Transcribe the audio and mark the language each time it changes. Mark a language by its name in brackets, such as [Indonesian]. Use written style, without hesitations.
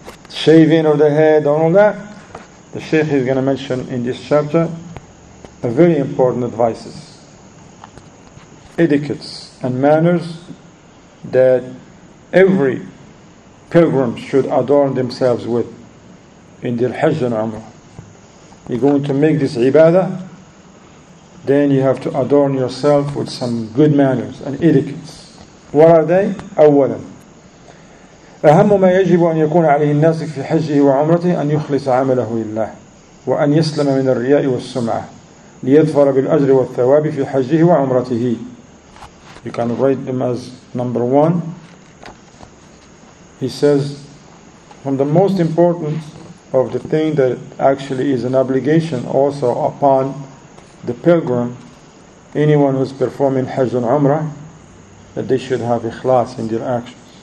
[English] Shaving of the head, all that. The Shaykh is going to mention in this chapter a very important advices, etiquettes and manners that every pilgrim should adorn themselves with in their Hajj and Umrah. You're going to make this ibadah, then you have to adorn yourself with some good manners and etiquettes. What are they? [Arabic] أولاً أهم ما يجب أن يكون عليه الناس في حجه وعمرته أن يخلص عمله لله وأن يسلم من الرياء والسمعة ليظفر بالأجر والثواب في حجه وعمرته. [English] You can write them as number one. He says, from the most important of the thing that actually is an obligation also upon the pilgrim, anyone who is performing Hajj and Umrah, that they should have ikhlas in their actions.